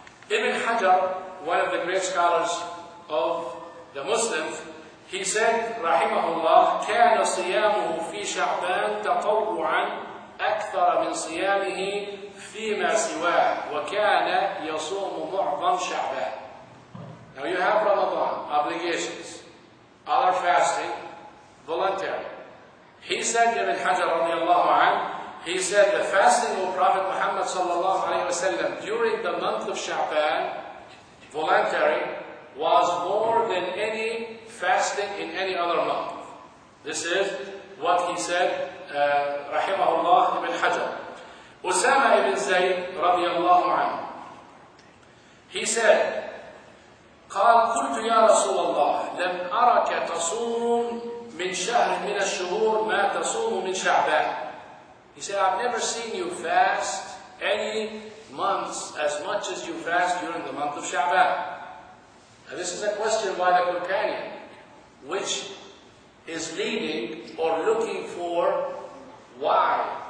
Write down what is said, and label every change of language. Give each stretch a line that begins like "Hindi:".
English: Ibn Hajar, one of the great scholars of the Muslims, he said, rahimahullah,
Arabic: كان صيامه في شعبان تطوعا أكثر من صيامه فيما سواه وكان يصوم معظم شعبان.
English: Now you have Ramadan obligations, other fasting, voluntary. He said, Ibn Hajar radiallahu anhu, he said, the fasting of Prophet Muhammad sallallahu alayhi wa sallam during the month of Sha'ban, voluntary, was more than any fasting in any other month. This is what he said, rahimahullah ibn Hajar. Usama ibn Zayd radiallahu anhu, He said,
Arabic: قال قلت يا رسول الله لم أرك تصوم من شهر من الشهور ما تصوم من شعبان.
English: He said, I've never seen you fast any months as much as you fast during the month of Sha'ban. And this is a question by the companion, which is leading or looking for why?